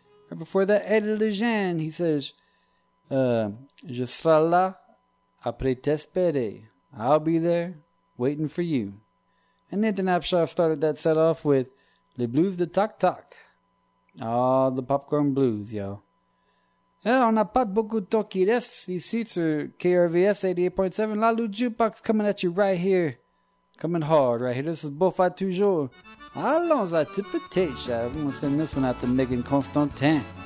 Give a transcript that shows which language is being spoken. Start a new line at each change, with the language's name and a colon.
English: Right before that, Eddie Lejeune, he says,
French: Je serai là après t'espérer.
English: I'll be there waiting for you. And Nathan Abshaw started that set off with Les Blues de Toc Toc. Oh, the popcorn blues, yo.
French: Yeah, on n'a pas beaucoup de temps qui reste.
English: These seats are KRVS 88.7. La Lou Jukebox coming at you right here. Coming hard right here. This is Beaufort Toujours.
French: Allons à Tipitacha.
English: I'm going to send this one out to Megan Constantin.